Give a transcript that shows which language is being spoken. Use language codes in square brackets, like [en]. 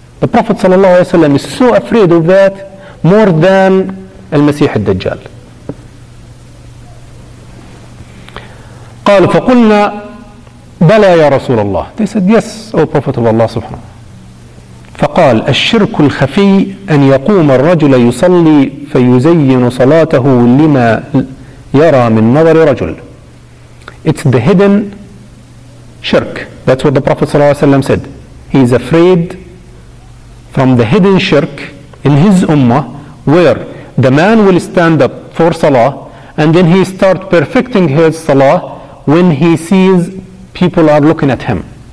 [en] The Prophet sallallahu alayhi wa sallam is so afraid of that more than al-Masih al-Dajjal. [ar] قَالُ فَقُلْنَا بلى يا رسول الله. [en] They said yes, O Prophet of Allah سبحانه. [ar] فقال الشرك الخفي أن يقوم الرجل يصلي فيزين صلاته لما يرى من نظر رجل. [en] It's the hidden shirk. That's what the Prophet [ar] صلى الله عليه وسلم [en] said. He is afraid from the hidden shirk in his ummah, where the man will stand up for salah and then he start perfecting his salah when he sees people are looking at him.